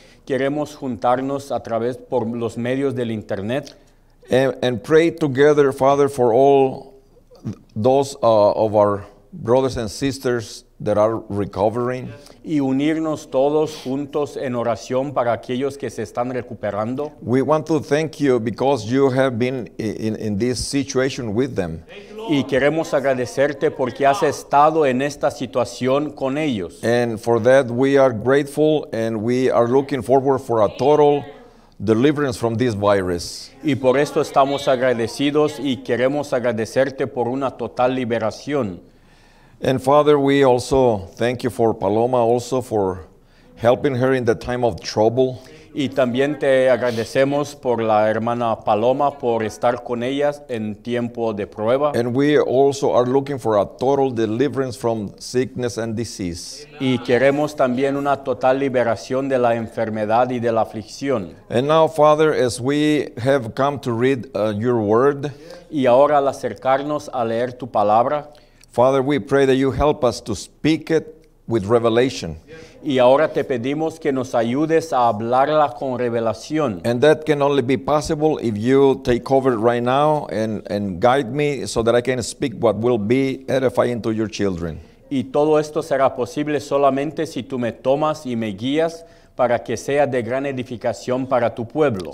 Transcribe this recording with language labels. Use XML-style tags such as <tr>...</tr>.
<es>Queremos juntarnos a través por los medios del internet.</es> <en>And pray together, Father, for all those of our brothers and sisters that are recovering.</en> <es>Y unirnos todos juntos en oración para aquellos que se están recuperando.</es> <en>We want to thank you because you have been in this situation with them.</en> <es>Y queremos agradecerte porque has estado en esta situación con ellos.</es> <en>And for that we are grateful, and we are looking forward for a total deliverance from this virus.</en> <es>Y por esto estamos agradecidos y queremos agradecerte por una total liberación.</es> <en>And Father, we also thank you for Paloma also for helping her in the time of trouble.</en> <es>Y también te agradecemos por la hermana Paloma por estar con ellas en tiempo de prueba.</es> <en>And we also are looking for a total deliverance from sickness and disease.</en> <es>Y queremos también una total liberación de la enfermedad y de la aflicción.</es> <en>And now, Father, as we have come to read your word,</en> <es>y ahora al acercarnos a leer tu palabra,</es> <en>Father, we pray that you help us to speak it with revelation.</en> <es>Y ahora te pedimos que nos ayudes a hablarla con revelación.</es> <en>And that can only be possible if you take over right now and guide me so that I can speak what will be edifying to your children.</en> <es>Y todo esto será posible solamente si tú me tomas y me guías para que sea de gran edificación para tu pueblo.</es>